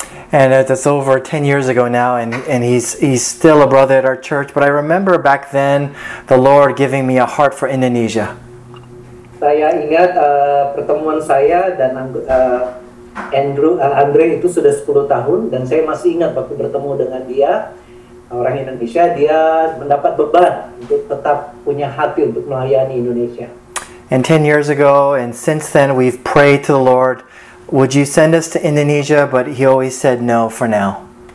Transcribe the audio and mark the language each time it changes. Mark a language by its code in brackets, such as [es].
[en] And that's over 10 years ago now, and he's still a brother at our church. But I remember back then the Lord giving me a heart for Indonesia. [id] Saya ingat pertemuan saya dan Andre itu sudah 10 tahun, dan saya masih ingat waktu bertemu dengan dia, orang Indonesia, dia mendapat beban untuk tetap punya hati untuk melayani Indonesia. [en] And 10 years ago, and since then, we've prayed to the Lord, would you send us to Indonesia? But he always said no for now.